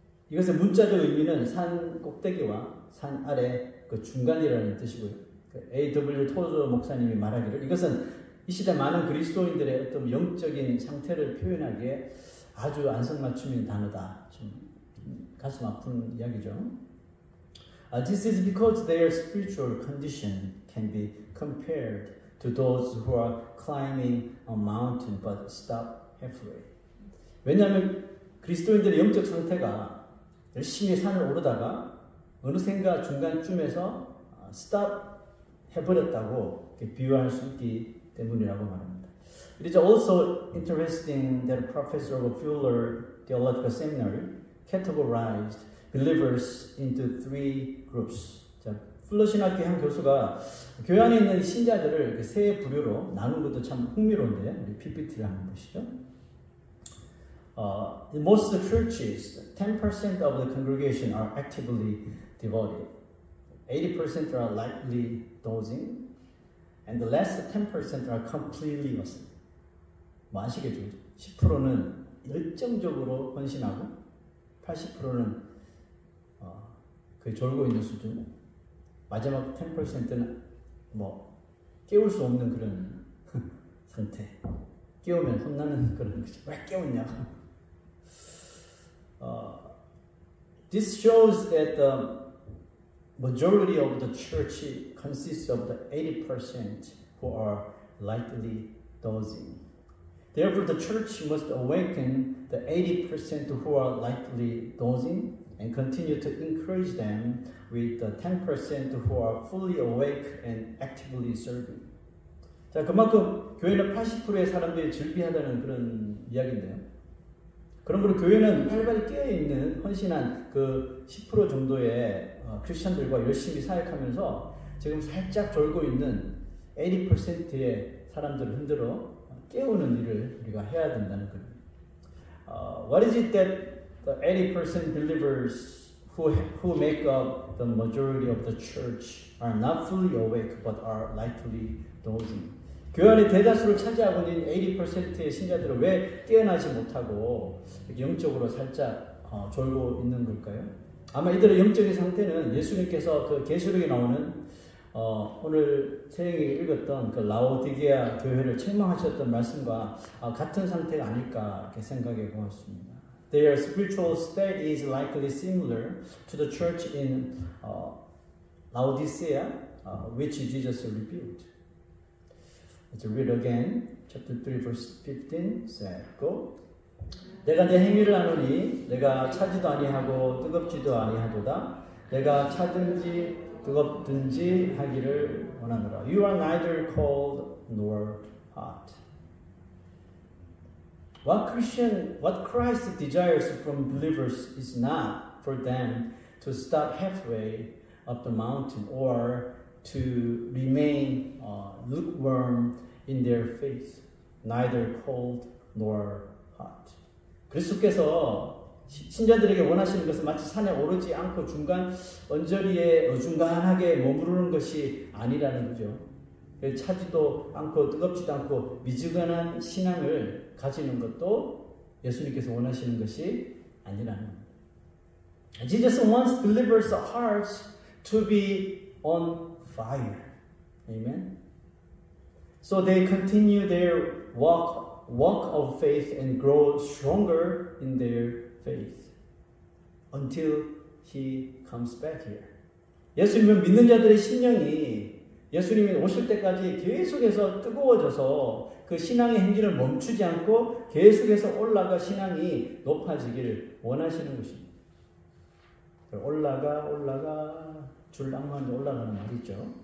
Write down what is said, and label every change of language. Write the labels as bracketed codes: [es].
[ko] 이것의 문자적 의미는 산 꼭대기와 산 아래 그 중간이라는 뜻이고요. 그 A.W. Tozier 목사님이 말하기를 이것은 이 시대 많은 그리스도인들의 어떤 영적인 상태를 표현하기에 아주 안성맞춤인 단어다. 좀 가슴 아픈 이야기죠. [en] This is because their spiritual condition can be compared to those who are climbing a mountain but stop halfway. [ko] 왜냐하면 그리스도인들의 영적 상태가 열심히 산을 오르다가 어느샌가 중간쯤에서 stop 해버렸다고 비유할 수 있기 때문이라고 말합니다. [en] It is also interesting that Professor Fuller Theological Seminary categorized believers into three groups. [ko] 자, 플러 신학교 한 교수가 교회 안에 있는 신자들을 세 부류로 나눈 것도 참 흥미로운데요. 우리 PPT를 한번 보시죠. [en] In most churches, 10% of the congregation are actively devoted. 80% are lightly dozing. And the last 10% are completely lost. [ko] 뭐 아시겠죠? 10%는 열정적으로 헌신하고 80%는 그 졸고 있는 수준, 마지막 10%는 뭐 깨울 수 없는 그런 상태. 깨우면 혼나는 그런 거죠. 왜 깨웠냐? [en] This shows that the majority of the church consists of the 80% who are lightly dozing. Therefore, the church must awaken the 80% who are lightly dozing and continue to encourage them with the 10% who are fully awake and actively serving. [ko] 자, 그만큼 교회는 80%의 사람들이 즐비하다는 그런 이야기인데요. 그러므로 교회는 활발히 깨어있는 헌신한 그 10% 정도의 크리스천들과 열심히 사역하면서 지금 살짝 졸고 있는 80%의 사람들을 흔들어 깨우는 일을 우리가 해야 된다는 겁니다. [en] What is it that the 80% believers who make up the majority of the church are not fully awake but are lightly dozing? [ko] 교회 안에 대다수를 차지하고 있는 80%의 신자들은 왜 깨어나지 못하고 영적으로 살짝 졸고 있는 걸까요? 아마 이들의 영적인 상태는 예수님께서 그 계시록에 나오는 오늘 세영이 읽었던 그 라오디게아 교회를 책망하셨던 말씀과 같은 상태가 아닐까 이렇게 생각해 보았습니다. [en] Their spiritual state is likely similar to the church in Laodicea, which Jesus rebuked. Let's read again. Chapter 3, verse 15 said, Go. [ko] 내가 내 행위를 아노니 내가 차지도 아니하고 뜨겁지도 아니하도다. 내가 차든지 뜨겁든지 하기를 원하노라. [en] You are neither cold nor hot. What Christ desires from believers is not for them to stop halfway up the mountain or to remain lukewarm in their faith, neither cold nor hot. [ko] 그리스도께서 신자들에게 원하시는 것은 마치 산에 오르지 않고 중간 언저리에 어중간하게 머무르는 것이 아니라는 거죠. 차지도 않고 뜨겁지도 않고 미지근한 신앙을 가지는 것도 예수님께서 원하시는 것이 아니라는 겁니다. [en] Jesus wants believers' hearts to be on fire. Amen. So they continue their walk of faith and grow stronger in their faith until he comes back here. [ko] 예수님은 믿는 자들의 심령이 예수님이 오실 때까지 계속해서 뜨거워져서 그 신앙의 행진을 멈추지 않고 계속해서 올라가 신앙이 높아지기를 원하시는 것입니다. 올라가 올라가 줄 낭만 올라가는 말 있죠.